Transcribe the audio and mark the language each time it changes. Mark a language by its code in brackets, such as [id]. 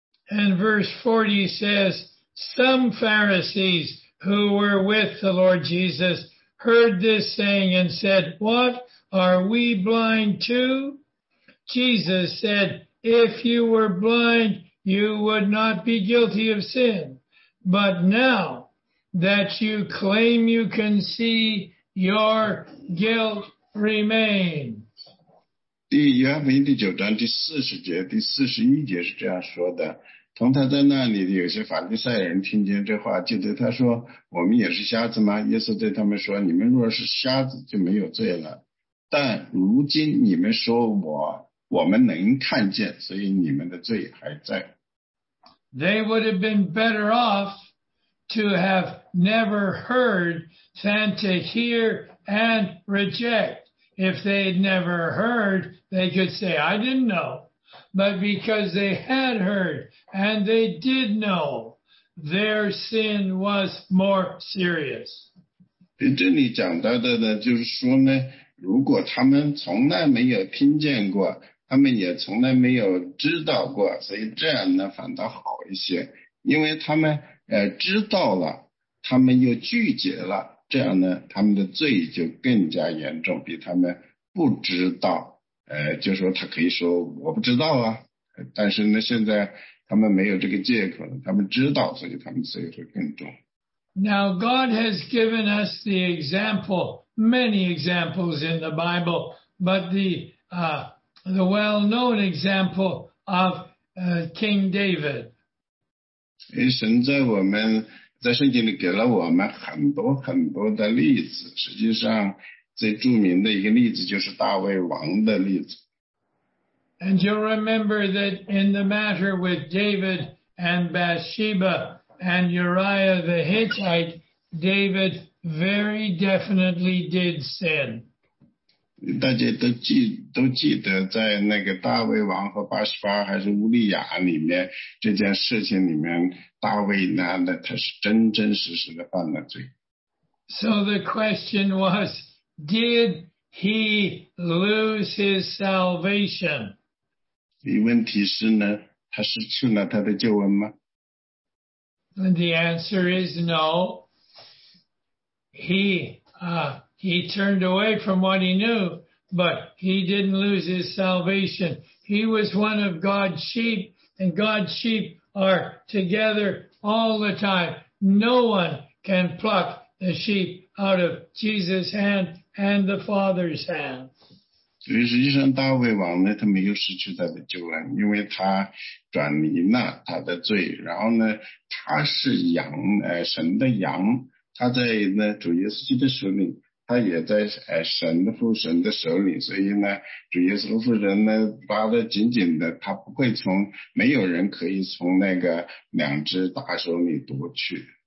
[en] And verse 40 says, Some Pharisees who were with the Lord Jesus heard this saying and said, What, are we blind too? Jesus said, If you were blind, you would not be guilty of sin. But now that you claim you can see,Your guilt remains. [zh] 第约翰福音第九章第四十节、第四十一节是这样说的：同他在那里的有些法利赛人听见这话，就对他说：“我们也是瞎子吗？” 耶稣对他们说：“你们若是瞎子，就没有罪了。但如今你们说我们能看见，所以你们的罪还在。” [en] They would have been better off. To have never heard than to hear and reject. If they had never heard, they could say, I didn't know. But because they had heard and they did know, their sin was more serious. [zh] 这里讲到的呢，就是说呢，如果他们从来没有听见过，他们也从来没有知道过，所以这样呢，反倒好一些，因为他们知道了，他们又拒绝了，这样呢，他们的罪就更加严重，比他们不知道，就说他可以说我不知道啊，但是呢，现在他们没有这个借口了，他们知道，所以他们罪会更重。 [en] Now God has given us the example, many examples in the Bible, but the well-known example of King David. [zh] 神在我们在圣经里给了我们很多很多的例子，实际上最著名的一个例子就是大卫王的例子。 [en] And you'll remember that in the matter with David and Bathsheba and Uriah the Hittite, David very definitely did sin. [zh] 大家都记得在那个大卫王和八十八还是乌利亚里面这件事情里面。大卫呢，那他是真真实实的犯了罪。 [en] So the question was, did he lose his salvation? [zh] 问题是呢，他失去了他的救恩吗？ [en] And the answer is no. He turned away from what he knew, but he didn't lose his salvation. He was one of God's sheep, and God's sheep are together all the time. No one can pluck the sheep out of Jesus' hand and the Father's hand. [zh] 所以实际上大卫王呢，他没有失去他的救恩，因为他转离了他的罪，然后呢，他是羊，神的羊，他在呢主耶稣基督的手里，他也在神的父神的手里，所以呢，主耶稣父神呢抓得紧紧的，他不会从，没有人可以从那个两只大手里夺去。